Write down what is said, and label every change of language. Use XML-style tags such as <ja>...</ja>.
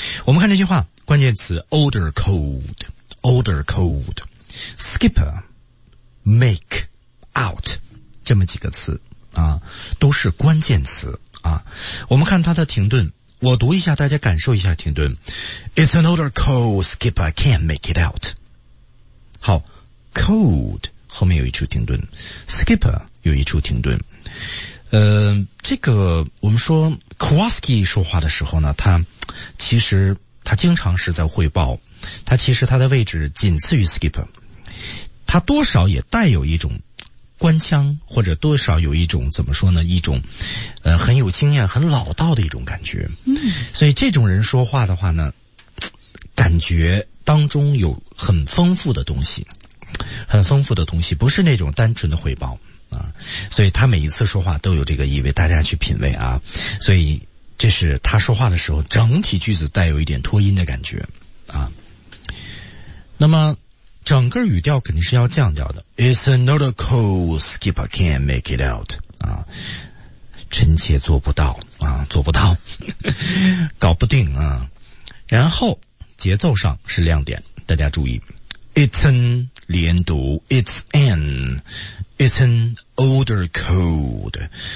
<zh>我们看这句话，关键词</zh> <en>older code，older code，skipper make out</en> <zh>这么几个词。啊，都是关键词啊！我们看它的停顿，我读一下，大家感受一下停顿。</zh> <en>It's an older code, Skipper. I can't make it out.</en> <zh>好 ，code 后面有一处停顿 ，Skipper 有一处停顿。这个我们说 Kowalski 说话的时候呢，他其实他经常是在汇报，他其实他的位置仅次于 Skipper， 他多少也带有一种。官腔或者多少有一种怎么说呢？一种，很有经验、很老道的一种感觉。嗯，所以这种人说话的话呢，感觉当中有很丰富的东西，很丰富的东西，不是那种单纯的汇报啊。所以他每一次说话都有这个意味，大家去品味啊。所以这是他说话的时候，整体句子带有一点拖音的感觉啊。那么。整个语调肯定是要降调的。</zh> <en>It's another code, Skipper can't make it out.</en> <zh>啊，臣妾做不到啊，做不到，搞不定啊。然后节奏上是亮点，大家注意。</zh> <en>It's an 连读 ，It's an, It's an older code.</en>